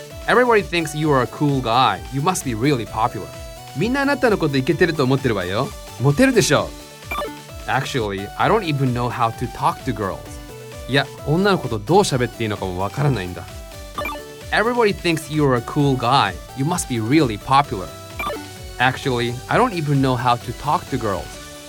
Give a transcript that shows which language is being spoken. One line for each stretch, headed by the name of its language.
English: everybody thinks you are a cool guy, you must be really popular.
Japanese: みんなあなたのことイケてると思ってるわよ。モテるでしょ。
English: Actually, I don't even know how to talk to girls.
Japanese: いや、女の子とどう喋っていいのかもわからないんだ。
English: Everybody thinks you're a cool guy. You must be really popular. Actually, I don't even know how to talk to girls.